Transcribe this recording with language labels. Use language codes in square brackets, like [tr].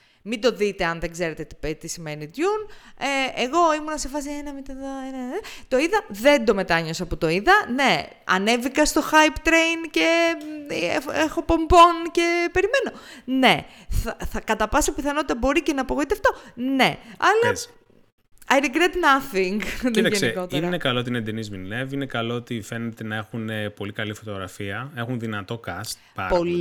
[el] Μην το δείτε αν δεν ξέρετε τι σημαίνει Dune. Εγώ ήμουν σε φάση ένα με το ένα. Το είδα, δεν το μετάνιωσα που το είδα. Ναι, ανέβηκα στο hype train και έχω πομπών και περιμένω. Ναι, θα κατά πάσα πιθανότητα μπορεί και να απογοητευτώ. Ναι, αλλά [en] I regret nothing. [el] Κοίταξε, είναι καλό ότι είναι Denis Villeneuve, είναι καλό ότι φαίνεται να έχουν πολύ καλή φωτογραφία, έχουν δυνατό cast,